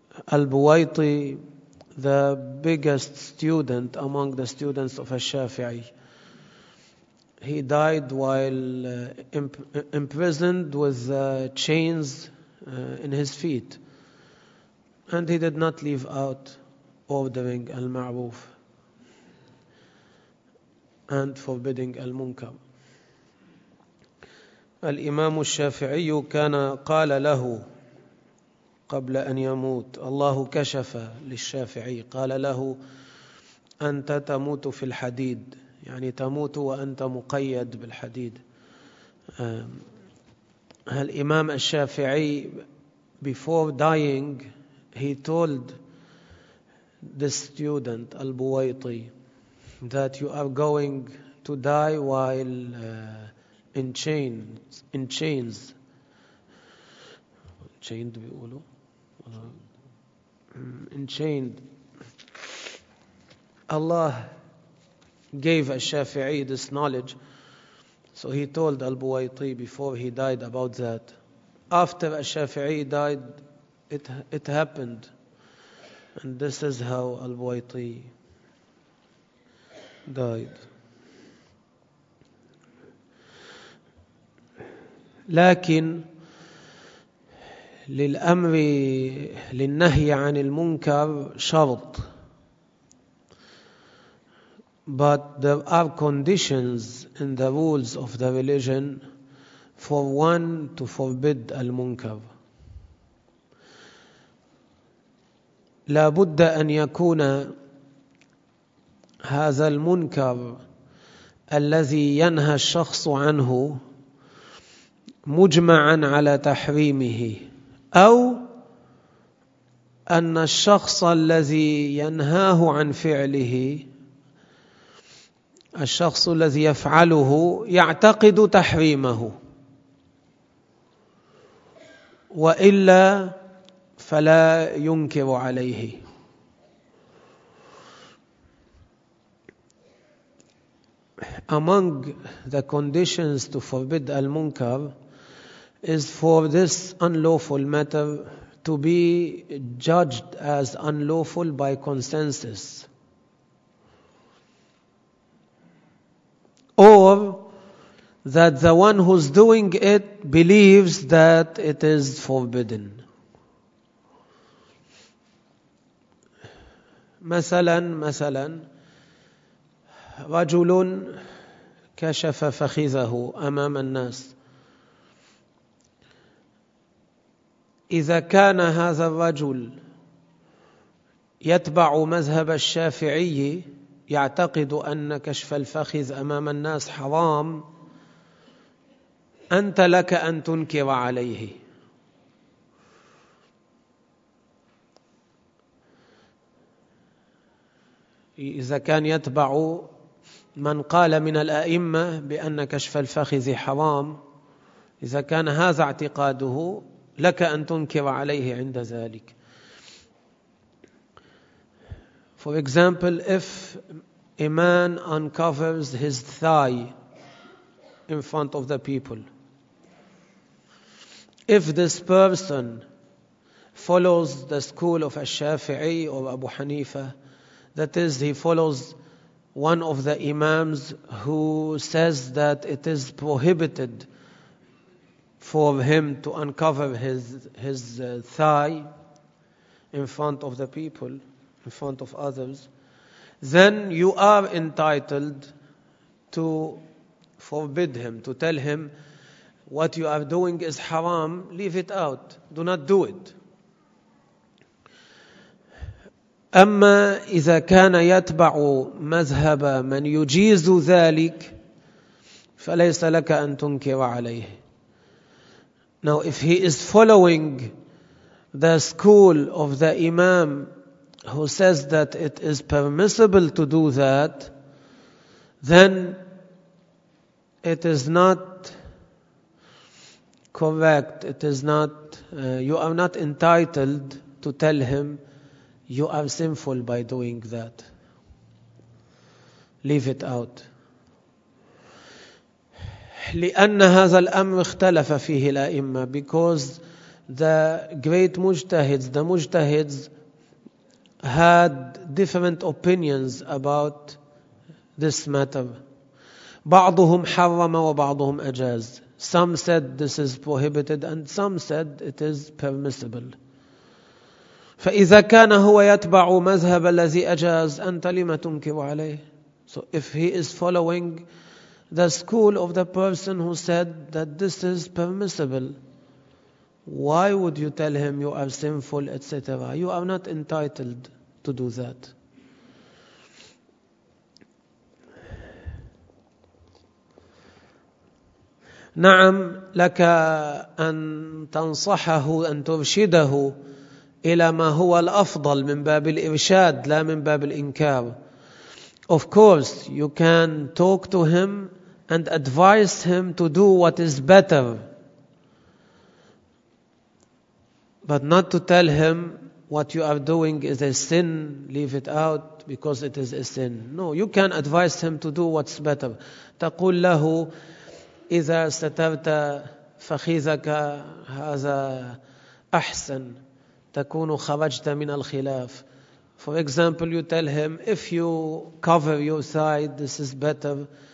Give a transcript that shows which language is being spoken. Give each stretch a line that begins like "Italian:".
English: Al-Buwaiti, the biggest student among the students of al-Shafi'i, he died while imprisoned with chains in his feet. And he did not leave out ordering al-ma'ruf and forbidding al-munkar.
Arabic: الإمام الشافعي كان قال له قبل أن يموت, الله كشف للشافعي, قال له أنت تموت في الحديد, يعني تموت وأنت مقيد بالحديد.
English: الإمام الشافعي, before dying, he told the student al-Buwaiti that you are going to die while in chains. Chained,
Arabic: بيقولوا.
English: Enchained. Allah gave al-Shafi'i this knowledge. So he told al-Buwaiti before he died about that. After al-Shafi'i died, it happened. And this is how al-Buwaiti died.
Arabic: لكن للأمر للنهي عن المنكر شرط.
English: But there are conditions in the rules of the religion for one to forbid المنكر.
Arabic: لا بد أن يكون هذا المنكر الذي ينهى الشخص عنه مجمعا على تحريمه, أو أن الشخص الذي ينهاه عن فعله, الشخص الذي يفعله يعتقد تحريمه, وإلا فلا ينكر عليه.
English: Among the conditions to forbid al-munkar is for this unlawful matter to be judged as unlawful by consensus, or that the one who's doing it believes that it is forbidden.
Arabic: مثلا رجل كشف فخذه أمام الناس. إذا كان هذا الرجل يتبع مذهب الشافعي, يعتقد أن كشف الفخذ أمام الناس حرام, أنت لك أن تنكر عليه. إذا كان يتبع من قال من الأئمة بأن كشف الفخذ حرام, إذا كان هذا اعتقاده, لك أن تنكر عليه عند ذلك.
English: For example, if a man uncovers his thigh in front of the people, if this person follows the school of al-Shafi'i or Abu Hanifa, that is, he follows one of the imams who says that it is prohibited for him to uncover his thigh in front of the people, in front of others, then you are entitled to forbid him, to tell him what you are doing is haram, leave it out, do not do it.
Arabic: أما إذا كان يتبع مذهب من يجيز ذلك فليس لك أن تنكر عليه.
English: Now, if he is following the school of the Imam who says that it is permissible to do that, then it is not correct. It is not, you are not entitled to tell him you are sinful by doing that. Leave it out.
Arabic: لأن هذا الأمر اختلف فيه الأئمة,
English: because the great mujtahids, the mujtahids had different opinions about this matter.
Arabic: بعضهم حرم وبعضهم أجاز.
English: Some said this is prohibited and some said it is permissible.
Arabic: فإذا كان هو يتبع مذهب الذي أجاز أنت لما تنكر عليه.
English: So if he is following the school of the person who said that this is permissible, why would you tell him you are sinful, etc.? You are not entitled to do that.
Arabic: نعم لك أن تنصحه أن ترشده إلى ما هو الأفضل من باب الإرشاد لا من باب الإنكار.
English: Of course, you can talk to him and advise him to do what is better, but not to tell him what you are doing is a sin, leave it out because it is a sin. No, you can advise him to do what's better.
Arabic: تقول له إذا سترت فخيذك هذا أحسن تكون خرجت من الخلاف.
English: For example, you tell him, if you cover your side, this is better.